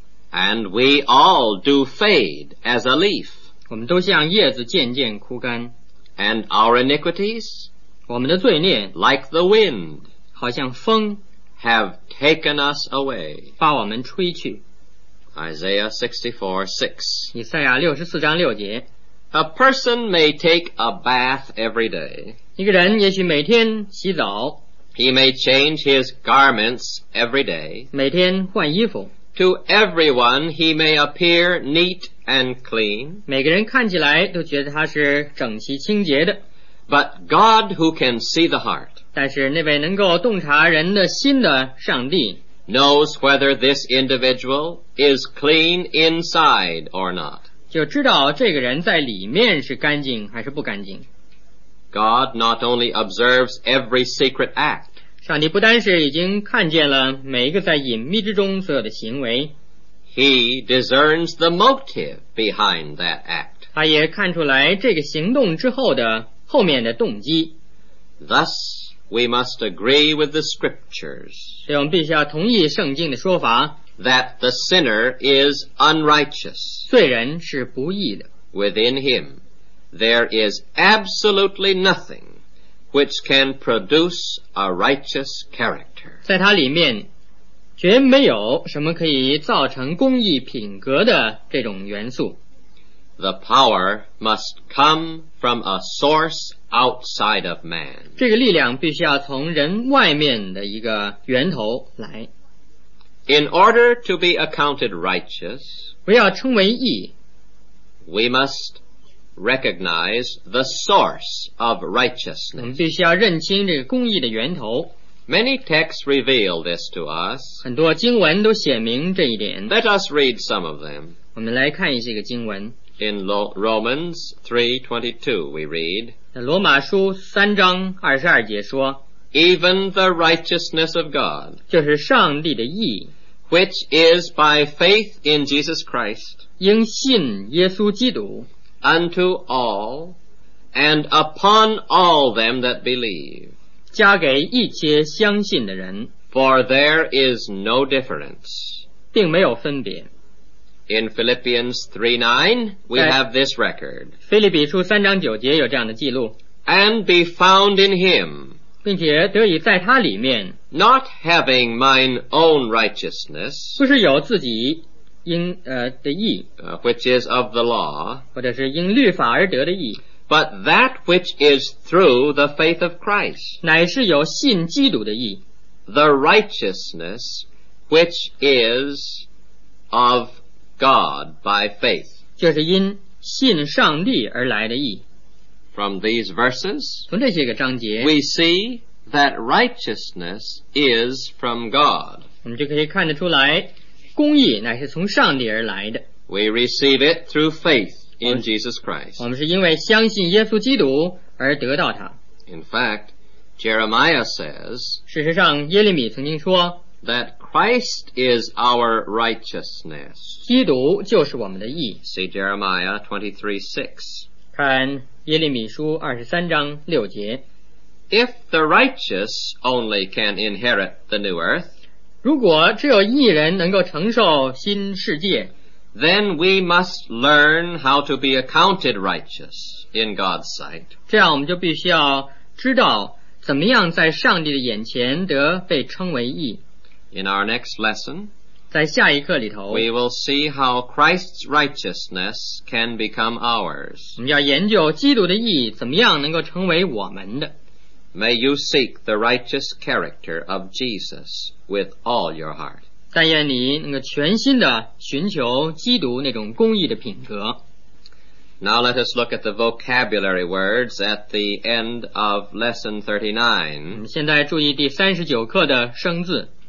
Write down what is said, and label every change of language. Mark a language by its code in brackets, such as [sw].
[en] And we all do fade as a leaf. [zh] 我们都像叶子渐渐枯干。 [en] And our iniquities, [zh] 我们的罪孽, [en] like the wind, [zh] 好像风。 [en] Have taken us away. [zh] 把我们吹去。 [en] Isaiah 64:6. [zh] 以赛亚六十四章六节。 [en] A person may take a bath every day. [zh] 一个人也许每天洗澡。 [en] He may change his garments every day. [zh] 每天换衣服。 [en] To everyone he may appear neat and clean. [zh] 每个人看起来都觉得他是整齐清洁的。 [en] But God who can see the heart. [zh] 但是那位能够洞察人的心的上帝 [en] knows whether this individual is clean inside or not. [zh] 就知道这个人在里面是干净还是不干净。 [en] God not only observes every secret act. [zh] 上帝不单是已经看见了每一个在隐秘之中所有的行为。 [en] He discerns the motive behind that act. [zh] 他也看出来这个行动之后的后面的动机。 [en] Thus,We must agree with the scriptures. [zh] 所以我们必须要同意圣经的说法 [en] that the sinner is unrighteous. [zh] 罪人是不义的。 [en] Within him, there is absolutely nothing which can produce a righteous character. [zh] 在他里面绝没有什么可以造成公义品格的这种元素。 [en] The power must come from a source outside of man. [zh] 这个力量必须要从人外面的一个源头来。 [en] In order to be accounted righteous, [zh] 我要称为义, [en] we must recognize the source of righteousness. [zh] 我们必须要认清这个公义的源头。 [en] Many texts reveal this to us. [zh] 很多经文都显明这一点。 [en] Let us read some of them. [zh] 我们来看一些个经文。 [en] In Romans 3:22, we read, [zh] 罗马书三章二十二节说 [en] Even the righteousness of God, [zh] 就是上帝的义 [en] which is by faith in Jesus Christ, [zh] 应信耶稣基督 [en] unto all and upon all them that believe, [zh] 加给一切相信的人 [en] for there is no difference, [zh] 并没有分别。 [en] In Philippians 3:9, we have this record. [zh] 腓立比书三章九节有这样的记录。 [en] And be found in him. [zh] 并且得以在他里面。 [en] Not having mine own righteousness. [zh] 不是有自己应的义。 [en] Which is of the law. [zh] 或者是因律法而得的义。 [en] But that which is through the faith of Christ. [zh] 乃是有信基督的义。 [en] The righteousness which is of God by faith. [zh] 就是因信上帝而来的义。 [en] From these verses, [zh] 从这些个章节, [en] we see that righteousness is from God. [zh] 我们就可以看得出来, 公义乃是从上帝而来的。 [en] We receive it through faith in Jesus Christ. [zh] 我们是因为相信耶稣基督而得到它。 [en] In fact, Jeremiah says, [zh] 事实上耶利米曾经说, [en] that Christ is our righteousness. [zh] 基督就是我们的义。 [en] See Jeremiah 23:6. [zh] 看耶利米书二十三章六节。 [en] If the righteous only can inherit the new earth, [zh] 如果只有义人能够承受新世界， [en] then we must learn how to be accounted righteous in God's sight. [zh] 这样我们就必须要知道怎么样在上帝的眼前得被称为义。 [en] In our next lesson, [zh] 在下一课里头 [en] we will see how Christ's righteousness can become ours. [zh] 我们要研究基督的义怎么样能够成为我们的。 [en] May you seek the righteous character of Jesus with all your heart. [zh] 但愿你能够全心的寻求基督那种公义的品格。 [en] Now let us look at the vocabulary words at the end of lesson 39. [zh] 我们现在注意第39课的生字。